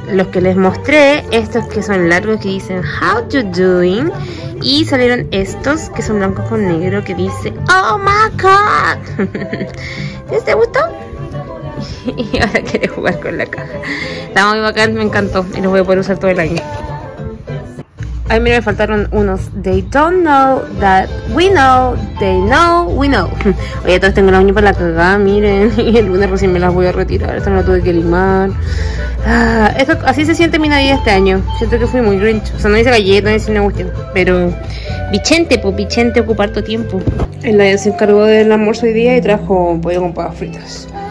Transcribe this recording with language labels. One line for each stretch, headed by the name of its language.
Spanish: Los que les mostré, estos que son largos, que dicen
English: how you doing.
Spanish: Y salieron estos que son blancos con negro, que dice
English: oh my god.
Spanish: ¿Te gustó? Y ahora quiere jugar con la caja. Está muy bacán, me encantó. Y los voy a poder usar todo el año. Ay, mira, me faltaron unos.
English: They don't know that we know. They know we know.
Spanish: Oye, todos tengo la uña para la cagada, miren. Y el lunes recién me las voy a retirar. Esta no la tuve que limar. Ah, esto, así se siente mi Navidad este año. Siento que fui muy grinch. O sea, no hice galletas, no hice una cuestión. Pero Vicente, pues Vicente, ocupar tu tiempo. El Nadia se encargó del almuerzo hoy día y trajo pollo con papas fritas.